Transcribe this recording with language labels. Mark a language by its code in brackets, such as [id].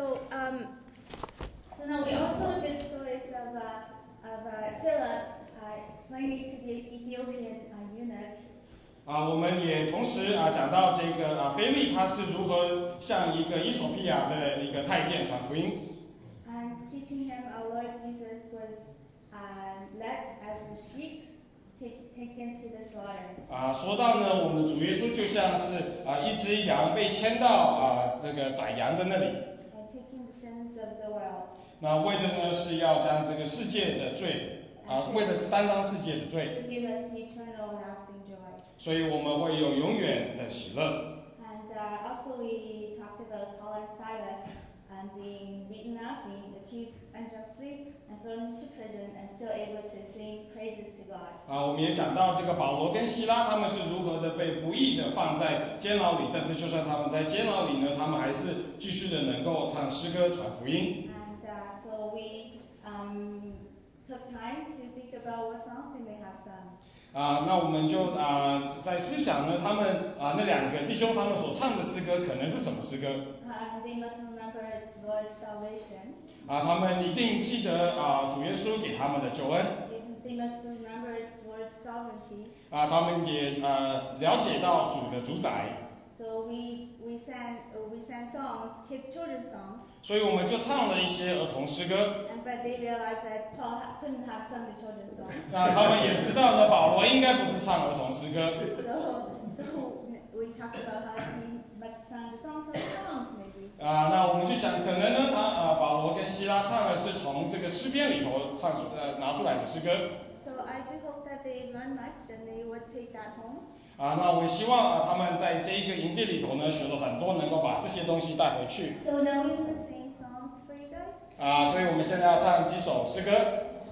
[en] And so So now we also heard the stories of Philip claiming to be an Ethiopian eunuch. [zh] 我们也同时讲到这个菲利他是如何向一个伊索比亚的一个太监传福音。 [en] And teaching him our Lord Jesus was led as a sheep taken to the slaughter. [zh] 说到呢，我们主耶稣就像是一只羊被牵到那个宰羊的那里。 [en] And taking the sins of the world. [zh] 那为的呢是要将这个世界的罪为的是担当世界的罪。 [en] To give us eternal and lasting joy. [zh] 所以我们会有永远的喜乐。 [en] And also we talked about Paul and Silas and being beaten up, being accused unjustly, and thrown into prison, and still able to sing praises to God. [zh] 我们也讲到这个保罗跟希拉，他们是如何的被不义的放在监牢里，但是就算他们在监牢里呢，他们还是继续的能够唱诗歌传福音。 [en] And so we took time to think about what songs we may have sung. [zh] 那我们就在思想呢，他们那两个弟兄他们所唱的诗歌可能是什么诗歌？ [en] They must remember Lord's salvation. [zh] 他们一定记得主耶稣给他们的救恩。 [en] They must remember Lord's sovereignty. [zh] 他们也了解到主的主宰。 [en] So we sang songs, kids children's songs. [zh] 所以我们就唱了一些儿童诗歌。 [en] But they realized that Paul couldn't have sung the children's songs. [zh] 那他们也知道呢，保罗应该不是唱儿童诗歌。 [en] So we talked about how he must sung the songs of songs maybe. [zh] 那我们就想，可能呢，保罗跟希拉唱的是从这个诗篇里头唱出拿出来的诗歌。 [en] So I do hope that they learn much and they would take that home. [zh] 那我希望他们在这一个营地里头呢学了很多，能够把这些东西带回去。 [en] So now we will sing songs for you guys. [zh] 所以我们现在要唱几首诗歌。